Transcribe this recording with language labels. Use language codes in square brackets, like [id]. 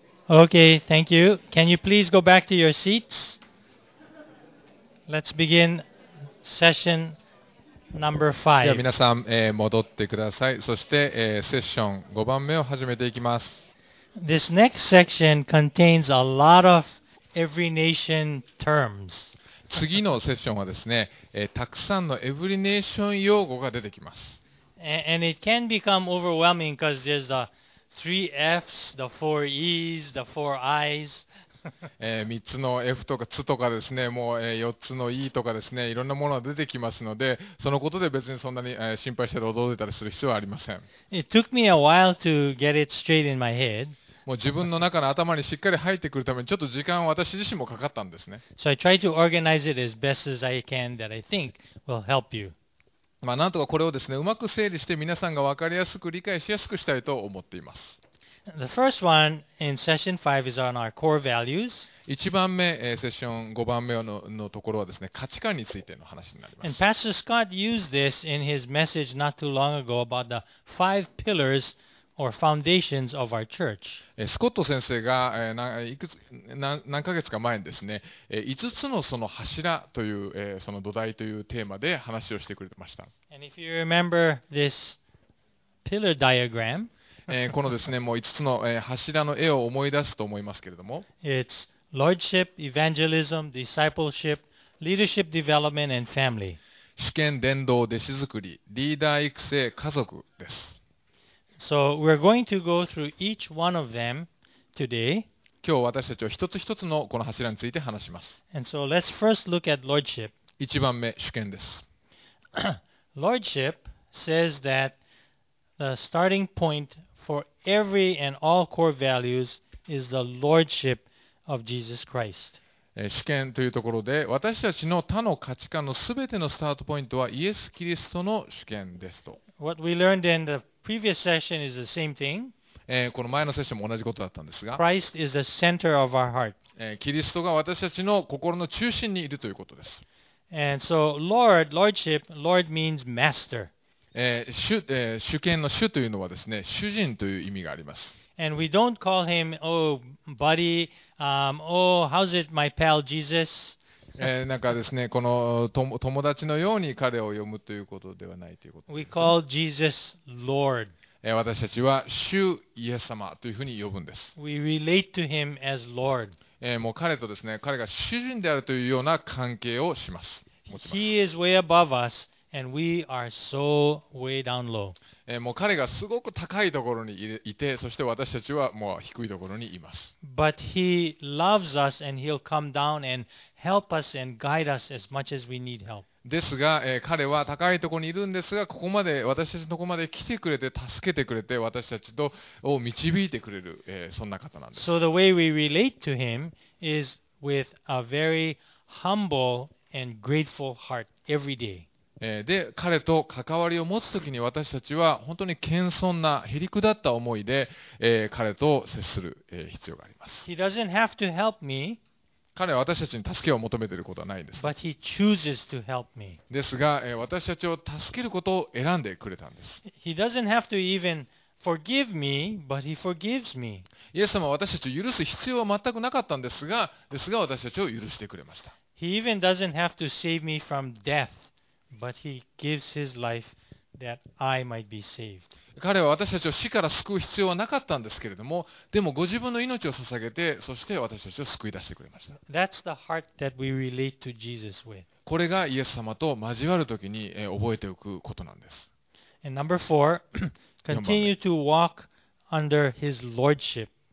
[en] Okay, thank you. Can you please go back to your seats? Let's begin session number five. [ja] では皆さん、戻ってください。そして、セッション5番目を始めていきます。 [en] This next section contains a lot of every nation terms. [ja] 次のセッションはですね、たくさんのエブリネーション用語が出てきます。 [en] And it can become overwhelming because there's the three F's, the four E's, the four I's. [ja] 3つの F とか T とかですね、もう4つの E とかですね、いろんなものが出てきますので、そのことで別にそんなに心配したり驚いたりする必要はありません。 [en] It took me a while to get it straight in my head. [ja] もう自分の中の頭にしっかり入ってくるためにちょっと時間を私自身もかかったんですね。 [en] So I tried to organize it as best as I can that I think will help you. [ja] まあ、なんとかこれをですね、うまく整理して皆さんが分かりやすく理解しやすくしたいと思っています。 [en] The first one in session 5 is on our core values. [ja] 一番目、セッション5番目 のところはですね、価値観についての話になります。 [en] And Pastor Scott used this in his message not too long ago about the five pillars or foundations of our church. [ja] スコット先生が何ヶ月か前にですね、5つのその柱というその土台というテーマで話をしてくれました。 [en] And if you remember this pillar diagram, [ja] このですね、もう5つの柱の絵を思い出すと思いますけれども、 [en] It's Lordship, Evangelism, Discipleship, Leadership Development, and Family. [ja] 主権、伝道、弟子作り、リーダー育成、家族です。 [en] So we're going to go through each one of them today. [ja] 今日私たちは一つ一つのこの柱について話します。 [en] And so let's first look at lordship. [ja] 一番目、主権です。 [en] Lordship says that the starting point for every and all core values is the lordship of Jesus Christ. [ja] 主権というところで、私たちの他の価値観のすべてのスタートポイントはイエス・キリストの主権ですと。 [en] What we learned in the previous session is the same thing. [ja] この前のセッションも同じことだったんですが、 [en] Christ is the center of our heart. [ja] キリストが私たちの心の中心にいるということです。 [en] And so, Lord, Lordship, Lord means master. [ja] 主権の主というのはですね、主人という意味があります。 [en] And we don't call him, oh, buddy, oh, how's it, my pal, Jesus? [ja] なんかですね、この友達のように彼を呼ぶということではないということです、ね。 [en] We call Jesus Lord. [ja] 私たちは主イエス様というふうに呼ぶんです。 [en] We relate to him as Lord. [ja] もう彼とですね、彼が主人であるというような関係をします。 [en] He is way above us, and we are so way down low. [ja] もう彼がすごく高いところにいて、そして私たちはもう低いところにいます。 [en] But he loves us, and he'll come down and help us and guide us as much as we need help. [ja] ですが、彼は高いところにいるんですが、ここまで私たちのところまで来てくれて、助けてくれて、私たちとを導いてくれる、そんな方なんです。 [en] So the way we relate to him is with a very humble and grateful heart every day. [ja] で彼と関わりを持つときに私たちは本当に謙遜な、へりくだった思いで、彼と接する、必要があります。 [en] He doesn't have to help me. [ja] 彼は私たちに助けを求めていることはないんです。 [en] But he chooses to help me. [ja] ですが、私たちを助けることを選んでくれたんです。 [en] He doesn't have to even forgive me, but he forgives me. [ja] イエス様は私たちを許す必要は全くなかったんですが、ですが私たちを許してくれました。 [en] He even doesn't have to save me from death. But he gives his life that I might be saved. [ja] 彼は私たちを死から救う必要はなかったんですけれども、でもご自分の命を捧げて、そして私たちを救い出してくれました。 [en] That's the heart that we relate to Jesus with. [ja] これがイエス様と交わるときに覚えておくことなんです。 [en] And number four, continue to walk under his lordship.